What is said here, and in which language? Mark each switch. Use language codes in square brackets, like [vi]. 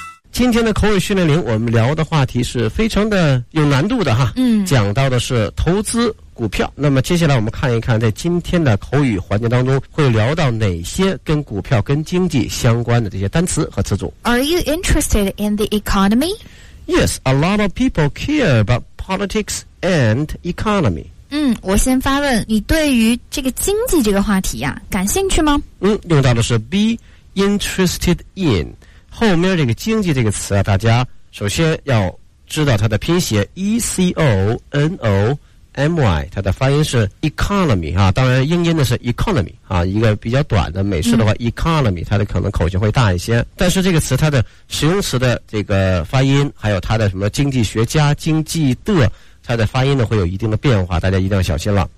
[zh] 今天的口语训练营，我们聊的话题是非常的有难度的哈。嗯，讲到的是投资股票。那么接下来我们看一看，在今天的口语环节当中，会聊到哪些跟股票、跟经济相关的这些单词和词组。 [en] Are you interested in the economy? Yes, a lot of people care about politics and economy. [zh] 嗯，我先发问，你对于这个经济这个话题呀，感兴趣吗？嗯，用到的是 [en] be interested in。 [zh] 后面这个经济这个词啊，大家首先要知道它的拼写 E-C-O-N-O-M-Y， 它的发音是 economy 啊，当然英音的是 economy 啊，一个比较短的美式的话，嗯，economy 它的可能口型会大一些，但是这个词它的使用词的这个发音还有它的什么经济学家经济的它的发音呢会有一定的变化，大家一定要小心了。